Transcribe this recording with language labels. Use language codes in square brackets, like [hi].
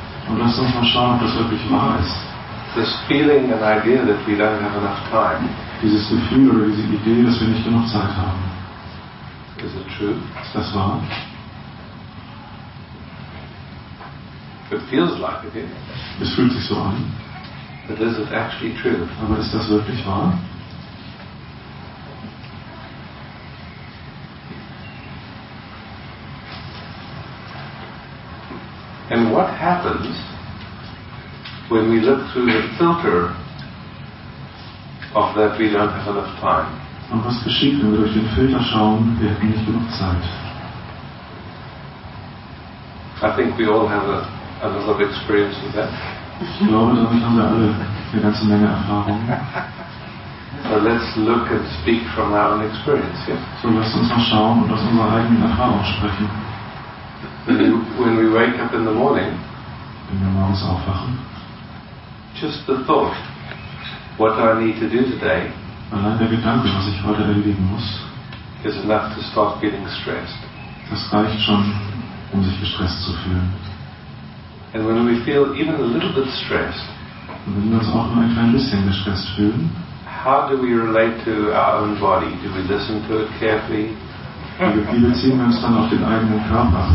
[de] Und lass uns mal schauen, ob das wirklich wahr ist. [en] This feeling and idea that we don't have enough time. [de] Dieses Gefühl oder diese Idee, dass wir nicht genug Zeit haben. [en] Is it true? [de] Ist das wahr? [en] It feels like it. [de] Es fühlt sich so an. [en] But is it actually true? [de] Aber ist das wirklich wahr? [en] And what happens when we look through the filter of that we don't have enough time? [de] Und was geschieht, wenn wir durch den Filter schauen, wir hätten nicht genug Zeit? [en] I think we all have a lot of experience with that. [de] Ich glaube, damit haben wir alle eine ganze Menge Erfahrung. [en] So let's look and speak from our own experience, yeah? [de] So lasst uns mal schauen und aus unserer eigenen Erfahrung sprechen. [en] When we wake up in the morning, [de] wenn wir morgens aufwachen, [en] just the thought, what do I need to do today? [de] Allein der Gedanke, was ich heute erledigen muss, [en] is enough to start getting stressed. [de] Das reicht schon, um sich gestresst zu fühlen. [en] And when we feel even a little bit stressed, [de] und wenn wir uns auch nur ein klein bisschen gestresst fühlen, [en] how do we relate to our own body? Do we listen to it carefully? [de] Wie beziehen wir uns dann auf den eigenen Körper?